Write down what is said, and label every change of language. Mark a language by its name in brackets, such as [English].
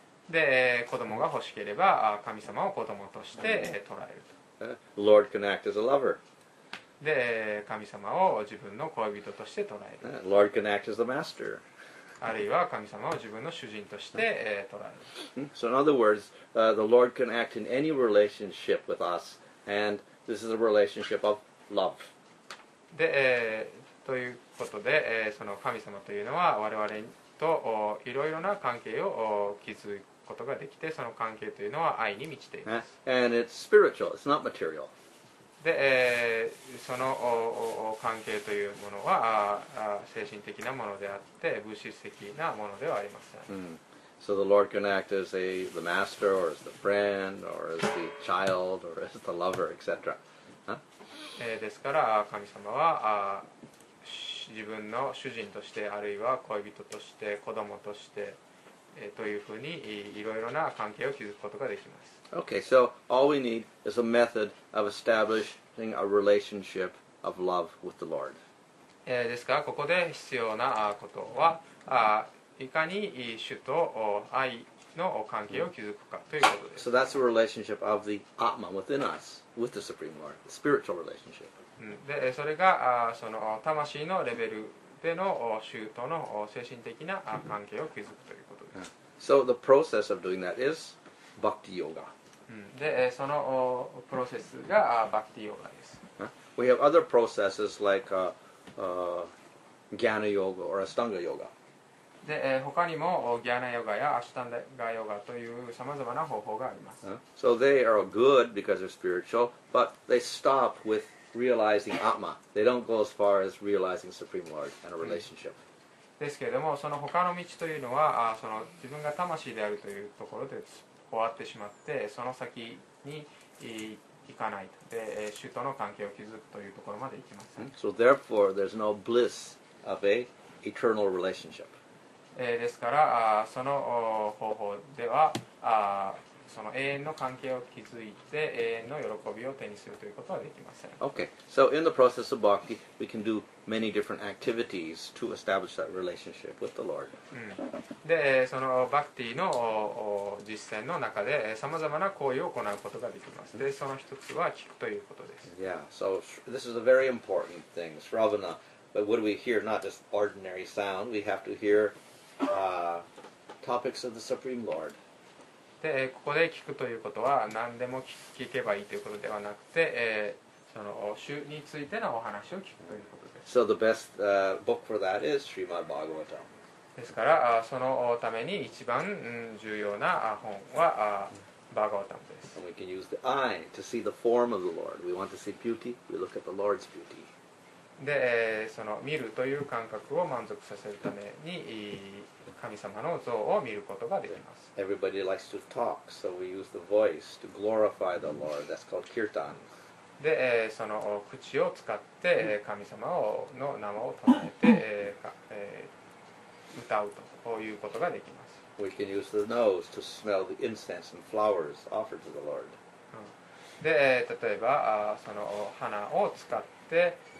[Japanese] で子供が欲しければ神様を子供として捉えると。 [English] Lord can act as a lover. [Japanese] で神様を自分の恋人として捉える。 [English] Lord can act as the master. [Japanese] あるいは神様を自分の主人として捉える。 [English] So in other words, the Lord can act in any relationship with us, and this is a relationship of love. [Japanese] でということでその神様というのは我々といろいろな関係を築くことができて、その関係というのは愛に満ちています。 [English] And it's spiritual, it's not material. [Japanese] で、その関係というものは精神的なものであって、物質的なものではありません。 Mm. [English] So the Lord can act as the master, or as the friend, or as the child, or as the lover, etc. Huh? [Japanese] ですから、神様は自分の主人としてあるいは恋人として子供としてというふうにいろいろな関係を築くことができます。 [English] Okay, so all we need is a method of establishing a relationship of love with the Lord. [Japanese] ですからここで必要なことはいかに主と愛の関係を築くかということです。 [English] So that's a relationship of the Atma within us with the Supreme Lord, the spiritual relationship. [Japanese] でそれがその魂のレベルでの主との精神的な関係を築くということです。 [English] So the process of doing that is Bhakti Yoga. [Japanese] でそのプロセスが Bhakti Yoga です。 [English] We have other processes like Jnana Yoga or Ashtanga Yoga. [Japanese] で他にも Jnana Yoga や Ashtanga Yoga というさまざまな方法があります。 [English] So they are good because they're spiritual, but they stop withrealizing Atma. They don't go as far as realizing Supreme Lord and a relationship. [Japanese] ですけれども、その他の道というのは、その自分が魂であるというところで終わってしまって、その先に行かないで、主との関係を築くというところまで行きません。 [English] So therefore, there's no bliss of a eternal relationship. [Japanese] ですから、その方法では、その永遠の関係を築いて永遠の喜びを手にするということはできません。 [English] Okay, so in the process of bhakti, we can do many different activities to establish that relationship with the Lord. [Japanese] で、そのバクティの実践の中で様々な行為を行うことができます。で、その一つは聞くということです。 [English] Yeah, so this is a very important thing, Shravana. But what do we hear? Not just ordinary sound. We have to hear topics of the Supreme Lord. [Japanese] でここで聞くということは何でも聞けばいいということではなくて、その主についてのお話を聞くということです。 [English] So the best book for that is Srimad Bhagavatam. [Japanese] ですからそのために一番重要な本はバーガータムです。 [English] And we can use the eye to see the form of the Lord. We want to see beauty. We look at the Lord's beauty. [Japanese] でその見るという感覚を満足させるために。神様の像を見ることができます。 [English] Everybody likes to talk, so we use the voice to glorify the Lord. That's called kirtan. [Japanese] で、その口を使って神様の名を唱えて歌うということができます。 [English] We can use the nose to smell the incense and flowers offered to the Lord. [Japanese] で、例えばその花を使って